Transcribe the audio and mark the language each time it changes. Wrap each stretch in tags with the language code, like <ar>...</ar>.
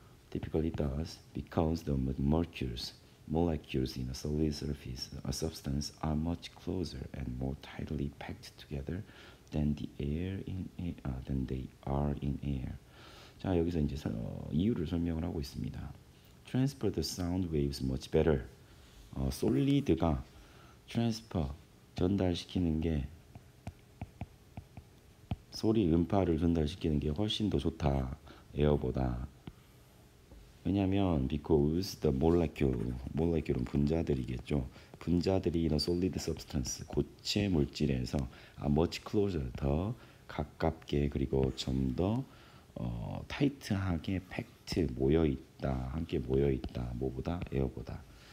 <en>Typically does because the molecules in a solid surface, a substance, are much closer and more tightly packed together than the air in air, than they are in air.</en> <ko>자, 여기서 이제 이유를 설명을 하고 있습니다.</ko> <en>Transfer the sound waves much better.</en> <ko>Solid가</ko> <en>transfer,</en> <ko>전달시키는 게 소리 음파를 전달시키는 게 훨씬 더 좋다 에어보다. 왜냐하면</ko> <en>because the molecule은</en> <ko>분자들이겠죠. 분자들이 이런</ko> <en>solid substance</en> <ko>고체 물질에서</ko> <en>much closer</en> <ko>더 가깝게 그리고 좀 더 타이트하게 팩트 모여 있다, 함께 모여 있다, 뭐보다 에어보다.</ko>